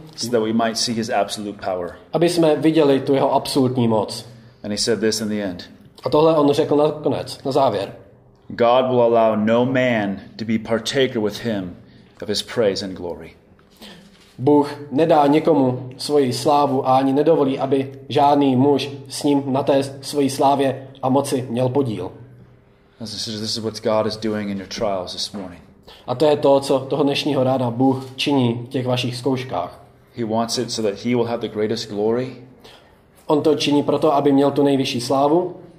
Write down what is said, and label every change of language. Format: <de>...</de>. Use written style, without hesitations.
<en>so that we might see his absolute power.</en> <cs>Aby jsme viděli tu jeho absolutní moc.</cs> <en>And he said this in the end.</en> <cs>A tohle on řekl na konec, na závěr.</cs> <en>God will allow no man to be partaker with him of his praise and glory.</en> <cs>Bůh nedá nikomu svoji slávu a ani nedovolí, aby žádný muž s ním na té svojí slávě a moci měl podíl.</cs> <en>This is what God is doing in your trials this morning.</en> <cs>A to je to, co toho dnešního ráda Bůh činí v těch vašich zkouškách.</cs> <en>He wants it so that he will have the greatest glory.</en> <cs>On to činí proto, aby měl tu nejvyšší slávu.</cs>